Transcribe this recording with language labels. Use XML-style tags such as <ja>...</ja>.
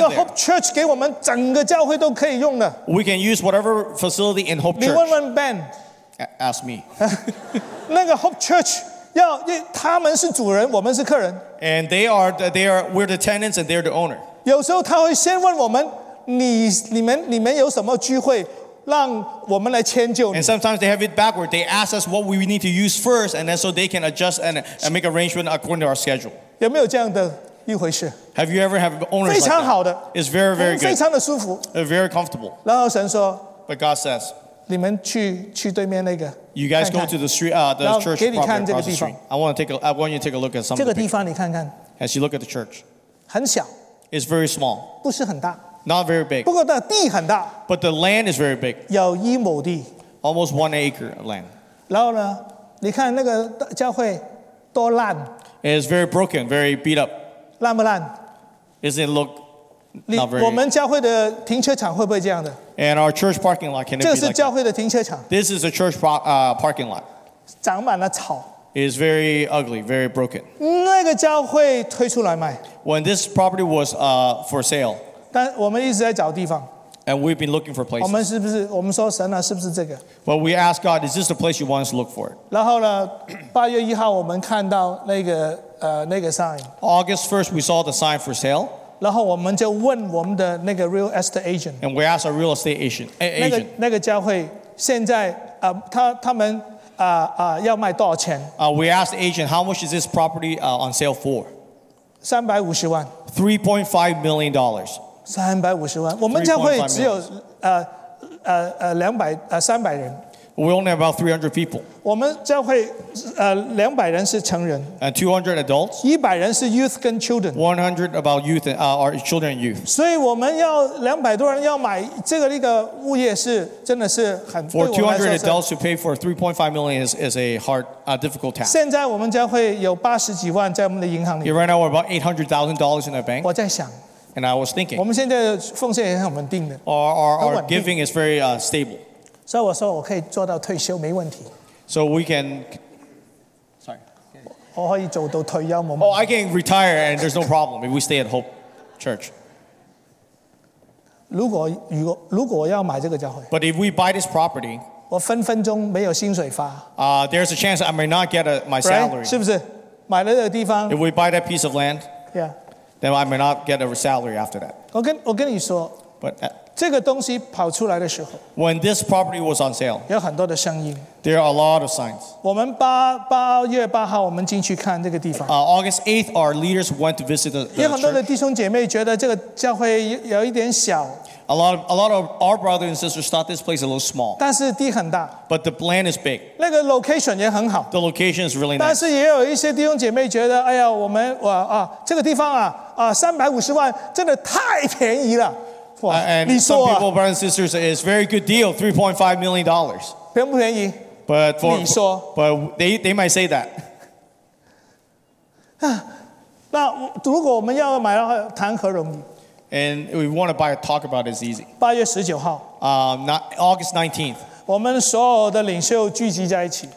<zh>那个 Hope Church 给我们整个教会都可以用的。</zh> <en>We can use whatever facility in Hope Church.</en> <zh>你问问 Ben.</zh> <en>Ask me.</en> <zh>那个 Hope Church 要，他们是主人，我们是客人。</zh> <en>And they are, we're the tenants and they're the owner.</en> <zh>有时候他会先问我们。你们有什么聚会让我们来迁就你</zh> <en>And sometimes they have it backward. They ask us what we need to use first, and then so they can adjust and make arrangement according to our schedule.</en> <zh>有没有这样的一回事</zh> <en>Have you ever have owners?</en> <zh>非常好的</zh> <en>It's very very good.</en> <zh>非常的舒服</zh> <en>Very comfortable.</en> <zh>然后神说</zh> <en>But God says,</en> <zh>你们去对面那个</zh> <en>You guys</en> <zh>看看</zh> <en>go to the street, the church property across the street. I want you to take a look at some</en> <zh>这个地方你看看</zh> <en>As you look at the church,</en> <zh>很小</zh> <en>It's very small.</en> <zh>不是很大。</zh> <en>Not very big.</en> <zh>不过的地很大。</zh> <en>But the land is very big.</en> <zh>有一亩地。</zh> <en>Almost 1 acre of land.</en> <zh>然后呢，你看那个教会多烂。</zh> <en>It's very broken, very beat up.</en> <zh>烂不烂</zh> <en>？Isn't it look not very?</en> <zh>我们教会的停车场会不会这样的</zh> <en>？And our church parking lot can it be like that?</en> <zh>这是教会的停车场。</zh> <en>This is a church parking lot.</en> <zh>长满了草。</zh> <en>Is very ugly, very broken.</en> <zh>那个教会推出来卖。</zh> <en>When this property was for sale.</en> <zh>但我们一直在找地方。</zh> <en>And we've been looking for places.</en> <zh>我们是不是我们说神啊，是不是这个</zh> <en>？But we ask God, is this the place you want us to look for?</en> <zh>然后呢，八月一号我们看到那个 sign.</zh> <en>August 1st, we saw the sign for sale.</en> <zh>然后我们就问我们的那个 real estate agent.</zh> <en>And we asked our real estate agent.</en> <zh>那个教会现在他们要卖多少钱</zh> <en>？We asked the agent how much is this property on sale for?</en> <zh>350万。</zh> <en>$3.5 million.</en> <zh>350万，我们教会只有300人。</zh> <en>We only have about 300 people.</en> <zh>我们教会200人是成人。</zh> <en>And 200 adults.</en> <zh>100人是 youth 跟 children.</zh> <en>100 about youth and our children and youth.</en> <zh>所以我们要200多人要买这个一个物业是真的是很。</zh> <en>For 200 adults to pay for 3.5 million is a hard, difficult task.</en> <zh>现在我们教会有80几万在我们的银行里。</zh> <en>Right now we're about $800,000 in our bank.</en> <zh>我在想。</zh> <en>And I was thinking,</en> <zh>我们现在奉献也很稳定的。</zh> <en>Our giving is very stable.</en> <zh>所以我说我可以做到退休没问题。</zh> <en>So we can, sorry,</en> <zh>我可以做到退休。</zh> <en>Oh, I can retire and there's no problem if we stay at Hope Church.</en> <zh>如果我要买这个教会</zh> <en>，But if we buy this property,</en> <zh>我分分钟没有薪水发。</zh> <en>There's a chance I may not get my salary. Right?</en> <zh>是不是？买了这个地方</zh> <en>，If we buy that piece of land, yeah. Then I may not get a salary after that.</en> <zh>我跟你说</zh> <en>，But</en> <zh>这个东西跑出来的时候</zh> <en>，When this property was on sale,</en> <zh>有很多的声音</zh> <en>，There are a lot of signs.</en> <zh>我们八月八号我们进去看这个地方。</zh> <en>August 8th, our leaders went to visit the church.</en> <zh>有很多的弟兄姐妹觉得这个教会有一点小。</zh> <en>A lot of our brothers and sisters thought this place is a little small.</en> <zh>但是地很大。</zh> <en>But the land is big.</en> <zh>那个 location 也很好。</zh> <en>The location is really nice.</en> <zh>但是也有一些弟兄姐妹觉得，哎呀，我们我啊，这个地方啊啊，350万真的太便宜了。哇，and 你说啊、</zh> <en>some people, brothers and sisters, it's a very good deal, $3.5 million.</en> <zh>便不便宜</zh> <en>？But for</en> <zh>你说</zh> <en>，But they might say that.</en> <zh>那如果我们要买的话，谈何容易？</zh> <en>And we want to buy a talk about it, it's easy.</en> <zh>八月十九号。</zh> <en>August 19th.</en> <zh>我们所有的领袖聚集在一起。</zh>